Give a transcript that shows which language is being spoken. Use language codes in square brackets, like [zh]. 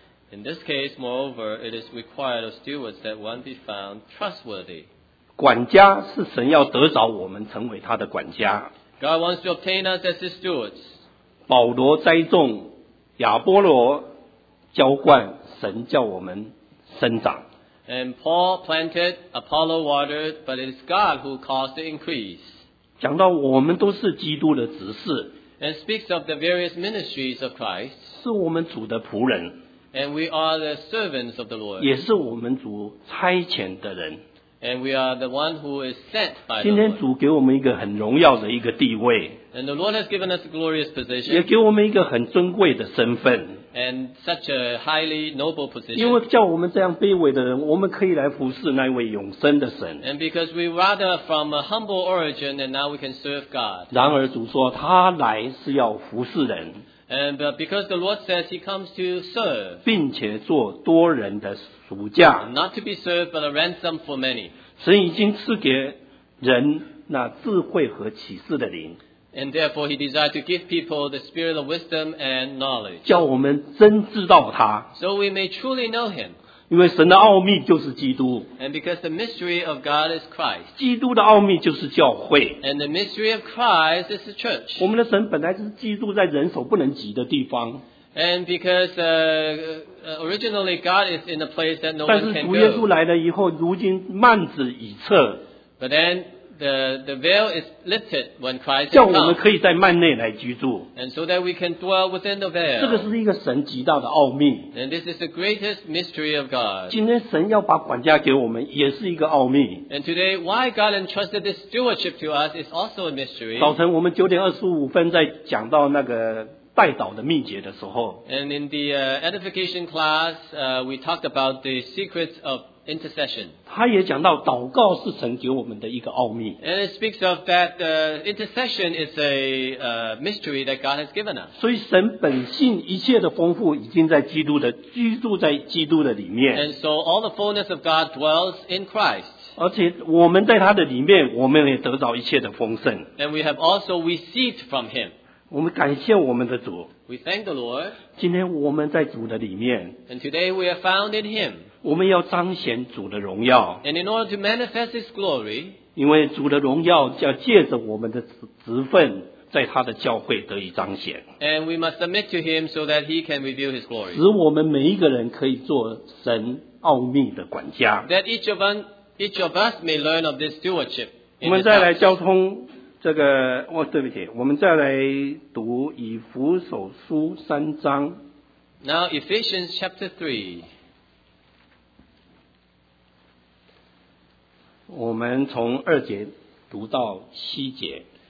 [en] In this case, moreover, it is required of stewards that one be found trustworthy. [zh] 管家是神要得着我们成为他的管家。 [en] God wants to obtain us as his stewards. [zh] 保罗栽种，亚波罗浇灌，神叫我们生长。 [en] And Paul planted, Apollo watered, but it is God who caused the increase. [zh] 讲到我们都是基督的执事。 [en] And speaks of the various ministries of Christ. [zh] 是我们主的仆人。 [en] And we are the servants of the Lord. [zh] 也是我们主差遣的人。 [en] And we are the one who is sent by the Lord. [zh] 今天主给我们一个很荣耀的一个地位。 [en] And the Lord has given us a glorious position. [zh] 也给我们一个很尊贵的身份。 [en] And such a highly noble position. [zh] 因为叫我们这样卑微的人，我们可以来服侍那位永生的神。 [en] And because we rather from a humble origin, and now we can serve God. [zh] 然而主说，他来是要服侍人。 [en] And because the Lord says He comes to serve. [zh] 并且做多人的赎价。 [en] Not to be served, but a ransom for many. [zh] 神已经赐给人那智慧和启示的灵。 [en] And therefore, he desired to give people the spirit of wisdom and knowledge. [zh] 叫我们真知道他。 [en] So we may truly know him. [zh] 因为神的奥秘就是基督。 [en] And because the mystery of God is Christ. [zh] 基督的奥秘就是教会。 [en] And the mystery of Christ is the church. [zh] 我们的神本来就是基督在人手不能及的地方。 [en] And because originally God is in a place that no one can go. [zh] 但是主耶稣来了以后，如今幔子已撤。 [en] But then the veil is lifted when Christ comes. [zh] 叫我们可以在幔内来居住。 [en] And so that we can dwell within the veil. [zh] 这个是一个神极大的奥秘。 [en] And this is the greatest mystery of God. [zh] 今天神要把管家给我们，也是一个奥秘。 [en] And today, why God entrusted this stewardship to us is also a mystery. [zh] 早晨我们9:25在讲到那个代祷的秘诀的时候。 [en] And in the edification class, we talked about the secrets of intercession. [zh] 他也讲到祷告是神给我们的一个奥秘。 [en] And it speaks of that intercession is a mystery that God has given us. [zh] 所以神本性一切的丰富已经在基督的居住在基督的里面。 [en] And so all the fullness of God dwells in Christ. [zh] 而且我们在他的里面，我们也得到一切的丰盛。 [en] And we have also received from him. [zh] 我们感谢我们的主。 [en] We thank the Lord. [zh] 今天我们在主的里面。 [en] And today we are found in Him. [zh] 我们要彰显主的荣耀。 [en] And in order to manifest His glory. [zh] 因为主的荣耀要借着我们的职分，在他的教会得以彰显。 [en] And we must submit to Him so that He can reveal His glory. [zh] 使我们每一个人可以做神奥秘的管家。 [en] That each of us may learn of this stewardship. [zh] 我们再来交通。这个哦，对不起，我们再来读以弗所书三章。 [en] Now Ephesians chapter 3。 [zh] 我们从二节读到七节。